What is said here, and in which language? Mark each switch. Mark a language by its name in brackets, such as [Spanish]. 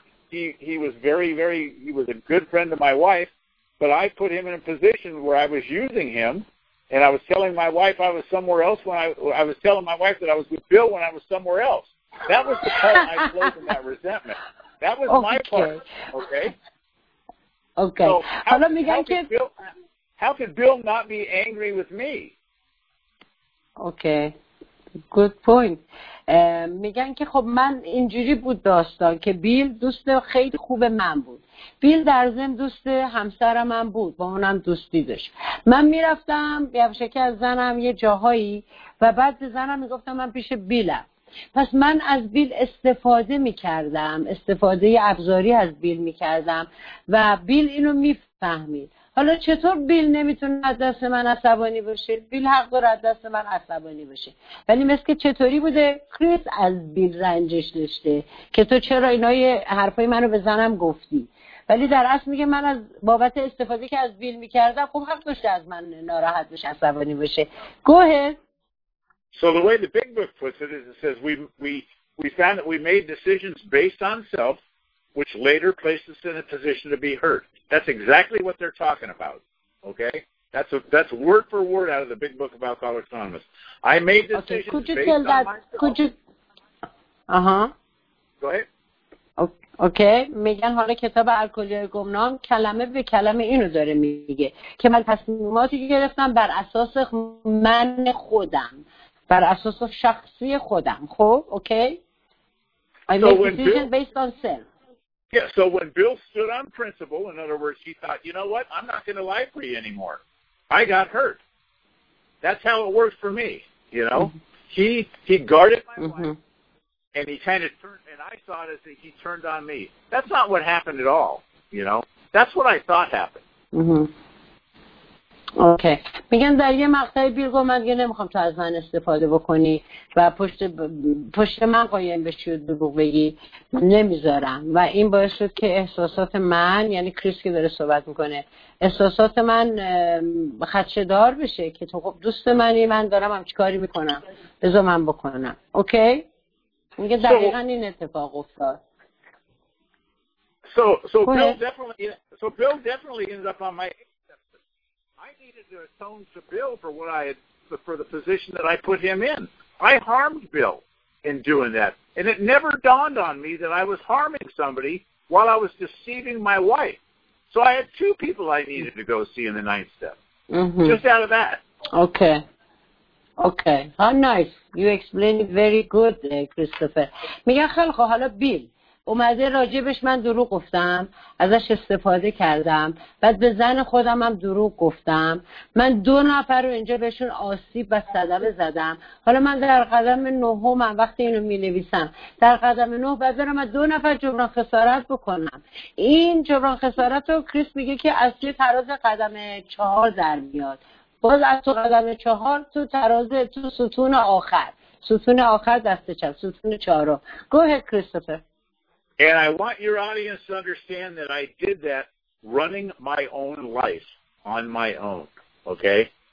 [English] He was a good friend of my wife, but I put him in a position where I was using him, and I was telling my wife I was somewhere else I was telling my wife that I was with Bill when I was somewhere else. That was the part I played in that resentment. That was my part. Okay. Okay. How could Bill not be angry with me? Okay. Good point. [Persian] میگن که خب من اینجوری بود داستان که بیل دوست خیلی خوب من بود. بیل در ضمن دوست همسر من بود، با اونم دوستی داشت. من میرفتم یواشکی از زنم یه جاهایی و بعد زنم میگفتم من پیش بیلم. پس من از بیل استفاده میکردم، استفاده ابزاری از بیل میکردم و بیل اینو میفهمید. حالا چطور بیل نمیتونه از دست من عصبانی باشه؟ بیل حق داره از دست من عصبانی باشه. ولی مثل که چطوری بوده؟ کریس از بیل رنجش داشته که تو چرا اینای حرفای منو به زنم گفتی؟ ولی در اصل میگه من از بابت استفاده که از بیل میکردم خب حق داشته از من ناراحت باشه، عصبانی باشه. [English] Go ahead. So the way the big book puts it is it says we found that we made decisions based on self which later placed us in a position to be hurt. That's exactly what they're talking about, okay? That's word for word out of the big book of Alcoholics Anonymous. I made decisions okay, could you based tell on that? Myself. Could you? Go ahead. [Persian] اوکی میگن حالا کتاب الکلی گمنام کلمه به کلمه اینو داره میگه که من تصمیماتی که گرفتم بر اساس من خودم، بر اساس شخصی خودم. خب اوکی. [English] Yeah, so when Bill stood on principle, in other words, he thought, you know what, I'm not going to lie for you anymore. I got hurt. That's how it worked for me, you know. Mm-hmm. He guarded my wife, and he kind of turned, and I saw it as he turned on me. That's not what happened at all, you know. That's what I thought happened. [Persian] اوکی میگن در یه مقطعی بیل گفت من دیگه نمیخوام تو از من استفاده بکنی و پشت من قایم بشی و دروغ بگی، نمیذارم. و این باعث شد که احساسات من، یعنی کریس که داره صحبت میکنه، احساسات من خدشه‌دار بشه که تو خب دوست منی، من دارم هم چیکاری میکنم، بذار من بکنم. اوکی میگه دقیقا این اتفاق افتاد. [English] So Bill definitely ends up on my to atone to Bill for what I had, for the position that I put him in. I harmed Bill in doing that. And it never dawned on me that I was harming somebody while I was deceiving my wife. So I had two people I needed to go see in the ninth step. Mm-hmm. Just out of that. Okay. Okay. How nice. You explained it very good, Christopher. [Persian] میگه خیلی خوب، حالا بیل اومده راجبش من دروغ گفتم، ازش استفاده کردم، بعد به زن خودم هم دروغ گفتم، من دو نفر رو اینجا بهشون آسیب و صدمه زدم. حالا من در قدم نهم، وقتی اینو می نویسم در قدم نه بعد برم از دو نفر جبران خسارت بکنم. این جبران خسارت رو کریس میگه که از یه تراز قدم چهار در میاد، باز از تو قدم چهار تو تراز تو ستون آخر دست چپ ستون چهار رو. [English] Go ahead, Christopher. And I want your audience to understand that I did that running my own life on my own. Okay?